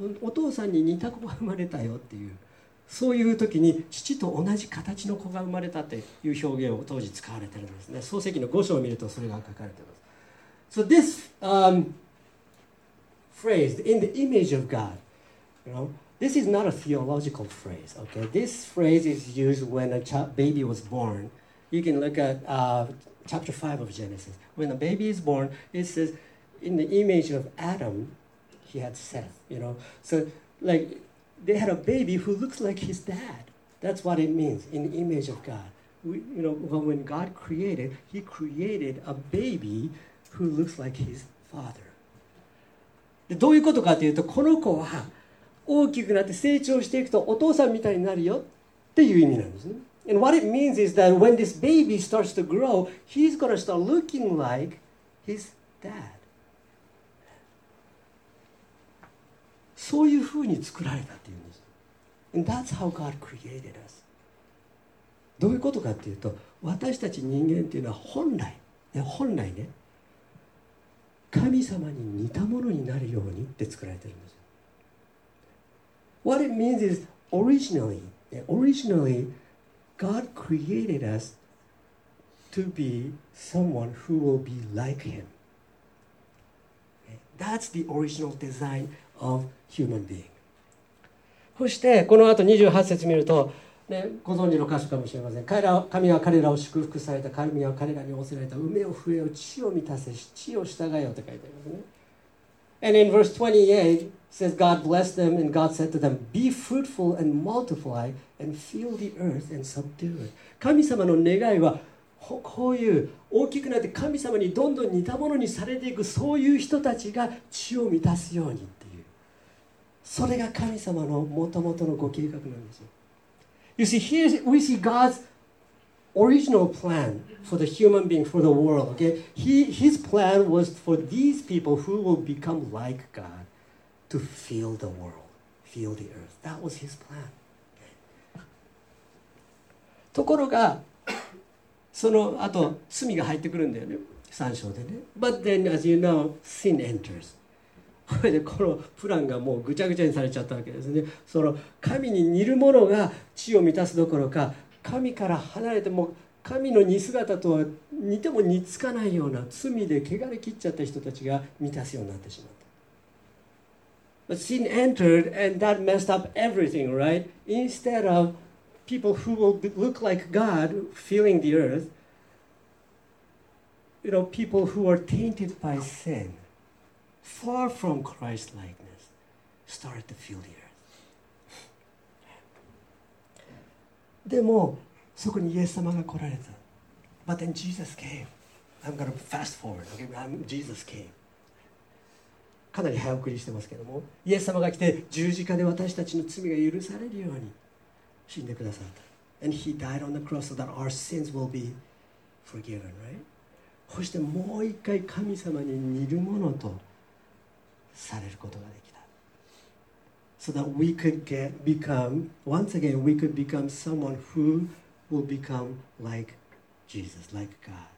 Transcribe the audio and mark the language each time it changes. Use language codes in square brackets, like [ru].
[ja] お父さんに似た子が生まれたよっていう、そういう時に父と同じ形の子が生まれたっていう表現を当時使われてるんですね。創世記の5章を見るとそれが書かれてます。 [en] So this phrase, in the image of God, this is not a theological phrase, okay? This phrase is used when a baby was born. You can look at chapter 5 of Genesis. When a baby is born, it says, in the image of Adam, he had Seth, you know? So, like, they had a baby who looks like his dad. That's what it means, in the image of God. When God created, he created a baby who looks like his father. [ja] で、どういうことかというと、この子は大きくなって成長していくとお父さんみたいになるよっていう意味なんですね。 [en] And what it means is that when this baby starts to grow, he's going to start looking like his dad. [ja] そういうふうに作られたっていうんです。 [en] And that's how God created us. [ja] どういうことかっていうと、私たち人間っていうのは本来ね、神様に似たものになるようにって作られてるんです。 [en] What it means is originally, God created us to be someone who will be like Him. That's the original design of human being. [ja] そしてこの後28節見ると、ね、ご存知の箇所かもしれません。神は彼らを祝福された、神は彼らに仰せられた、梅を増えよ、地を満たせし、地を従えよと書いてありますね。 [en] And in verse 28, it says, God blessed them, and God said to them, Be fruitful and multiply, and fill the earth and subdue it. [ja] 神様の願いは、こういう大きくなって神様にどんどん似たものにされていく、そういう人たちが地を満たすようにっていう。それが神様のもともとのご計画なんですよ。 [en] You see, here we see God's original plan for the human being, for the world, okay? His plan was for these people who will become like God to fill the world, fill the earth. That was his plan. [ja] ところが、その後、罪が入ってくるんだよね。三章でね。 [en] But then, as you know, sin enters. [ja] これでこのプランがもうぐちゃぐちゃにされちゃったわけですね。その神に似るものが地を満たすどころか、神から離れても神の似姿とは似ても似つかないような罪で汚れ切っちゃった人たちが満たすようになってしまった。 [en] But sin entered and that messed up everything, right? Instead of people who will look like God filling the earth, people who are tainted by sin, far from Christ-likeness, started to fill the earth. [ja] でもそこにイエス様が来られた。 [en] But then Jesus came. I'm gonna fast forward. Okay, Jesus came. [ja] かなり早送りしてますけども、イエス様が来て十字架で私たちの罪が許されるように死んでくださった。 [en] And he died on the cross so that our sins will be forgiven, right? [ja] そしてもう一回神様に似るものとされることができた。 [en] So that we could become someone who will become like Jesus, like God.